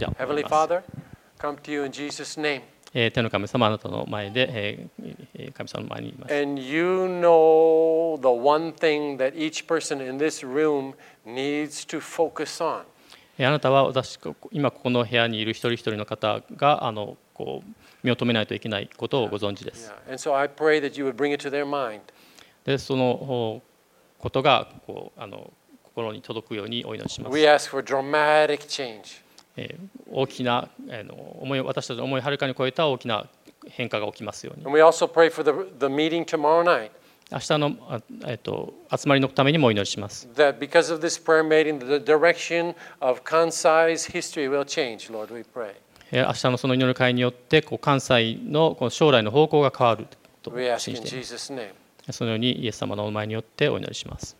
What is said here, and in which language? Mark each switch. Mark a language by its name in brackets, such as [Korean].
[English] Heavenly Father, come to you in Jesus' name. [Japanese] 天の神様、あなたの前で、神様の前にいます。 [English] And you know the one thing that each person in this room needs to focus on. [Japanese] あなたは私今ここの部屋にいる一人一人の方がこう身を止めないといけないことをご存知です。 [English] Yeah. And so I pray that you would bring it to their mind. [Japanese] でそのことがこう心に届くようにお祈りします。 [English] We ask for dramatic change. [Japanese] 大きな思い、私たちの思いをはるかに超えた大きな変化が起きますように。 [English] And we also pray for the meeting tomorrow night. [Japanese] 明日の集まりのためにもお祈りします。 [English] That because of this prayer meeting, the direction of Kansai's history will change, Lord, we pray. [Japanese] 明日のその祈り会によって、こう関西のこの将来の方向が変わると信じています。 [English] We ask in Jesus' name. [Japanese] そのようにイエス様のお名前によってお祈りします。